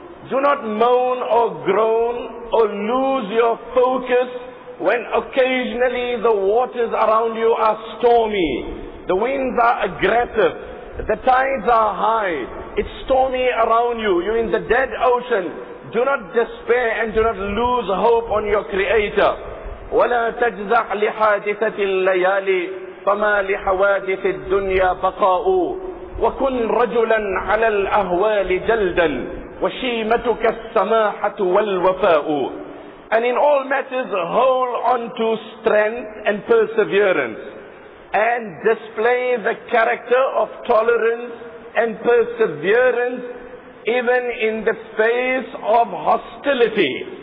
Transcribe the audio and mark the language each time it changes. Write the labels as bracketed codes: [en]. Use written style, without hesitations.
[en] Do not moan or groan or lose your focus when occasionally the waters around you are stormy. The winds are aggressive. The tides are high. It's stormy around you. You're in the dead ocean. Do not despair and do not lose hope on your Creator. [ar] ولا تجزع لحادثة الليالي فما لحوادث الدنيا بقاء وكن رجلا على الأهوال جلدا وشيمتك السماحة والوفاء. [en] And in all matters hold on to strength and perseverance and display the character of tolerance and perseverance even in the face of hostility.